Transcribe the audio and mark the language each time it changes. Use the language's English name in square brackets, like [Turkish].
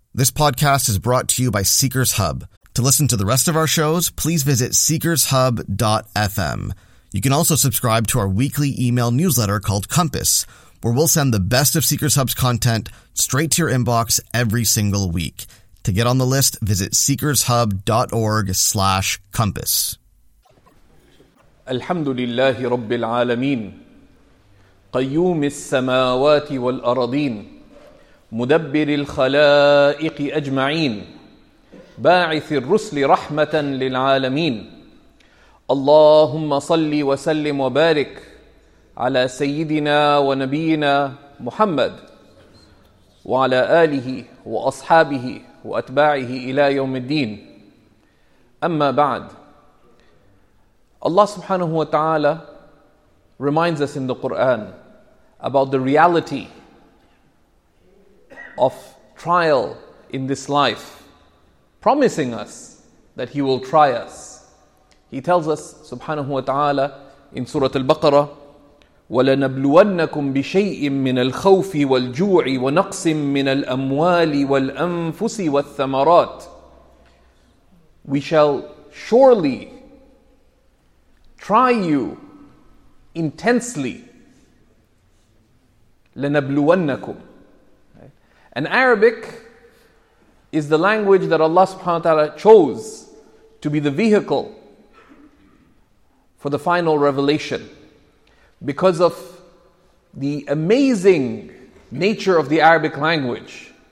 [English] This podcast is brought to you by Seekers Hub. To listen to the rest of our shows, please visit seekershub.fm. You can also subscribe to our weekly email newsletter called Compass, where we'll send the best of Seekers Hub's content straight to your inbox every single week. To get on the list, visit seekershub.org/compass. [Arabic] Alhamdulillahi Rabbil Alameen قيوم السماوات والأراضين مدبر الخلائق أجمعين باعث الرسل رحمة للعالمين اللهم صل وسلم وبارك على سيدنا ونبينا محمد وعلى آله وأصحابه وأتباعه إلى يوم الدين أما بعد الله سبحانه وتعالى [English] reminds us in the Quran about the reality of trial in this life, promising us that He will try us. He tells us, subhanahu wa ta'ala, in Surah Al-Baqarah, [Arabic] وَلَنَبْلُوَنَّكُمْ بِشَيْءٍ مِّنَ الْخَوْفِ وَالْجُوعِ وَنَقْصٍ مِّنَ الْأَمْوَالِ وَالْأَنفُسِ وَالثَّمَرَاتِ. [English] We shall surely try you intensely. [Arabic] لَنَبْلُوَنَّكُمْ. [English] And Arabic is the language that Allah subhanahu wa ta'ala chose to be the vehicle for the final revelation because of the amazing nature of the Arabic language.